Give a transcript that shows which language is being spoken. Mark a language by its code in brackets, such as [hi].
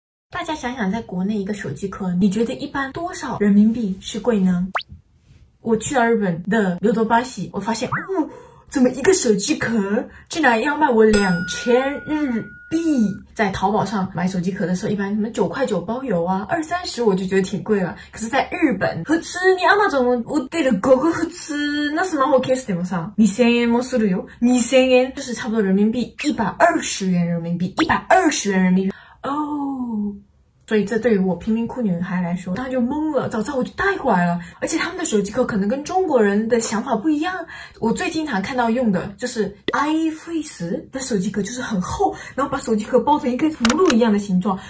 [zh] 大家想想在国内一个手机壳你觉得一般多少人民币是贵呢？我去到日本的牛头巴西，我发现怎么一个手机壳竟然要卖我2000日币。在淘宝上买手机壳的时候一般什么9块9包邮啊，20-30我就觉得挺贵了。可是在日本普通你 [ja] Amazon売ってる5個普通のスマホケースでもさ2000円もするよ。 [zh] 2000円就是差不多人民币120元人民币。哦，所以这对于我贫民窟女孩来说当然就懵了，早知道我就带过来了。而且他们的手机壳可能跟中国人的想法不一样，我最经常看到用的就是 iFace 的手机壳，就是很厚，然后把手机壳包成一个葫芦一样的形状。